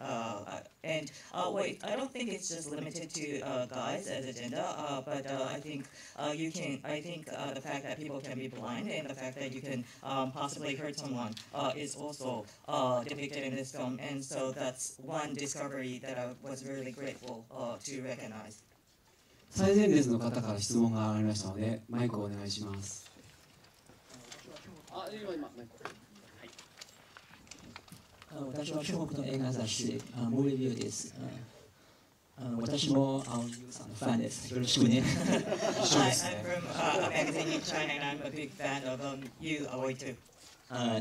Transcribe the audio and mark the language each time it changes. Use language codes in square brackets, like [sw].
[en] I don't think it's just limited to guys as a gender, but I think the fact that people can be blind and the fact that you can possibly hurt someone is also depicted in this film. And so that's one discovery that I was really grateful to recognize. [ja] 最前列の方から質問がありましたので、マイクをお願いします。私は中国の映画雑誌モリビューです。私もアオユさんのファンです。よろしくね。一緒ですね。 [en] I'm from a magazine in China and I'm a big fan of you, Aoi too.